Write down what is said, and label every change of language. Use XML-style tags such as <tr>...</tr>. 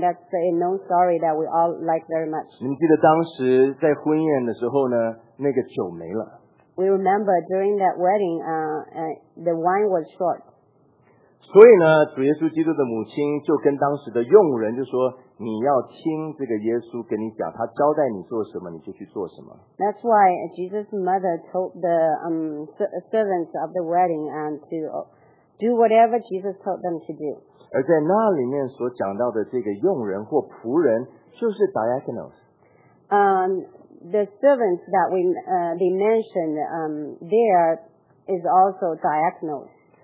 <en>That's a known story that we all like very much.</en> <zh>你们记得当时在婚宴的时候呢，那个酒没了。</zh> <en>We remember during that wedding, the wine was short.</en> <zh>所以呢，主耶稣基督的母亲就跟当时的佣人就说。你要听这个耶稣跟你讲，他交代你做什么，你就去做什么。</zh> <en>That's why Jesus' mother told the servants of the wedding and to do whatever Jesus told them to do.</en> <zh>而在那里面所讲到的这个佣人或仆人，就是 diaconos.</zh> <en>The servants that they mentioned there is also diaconos.</en>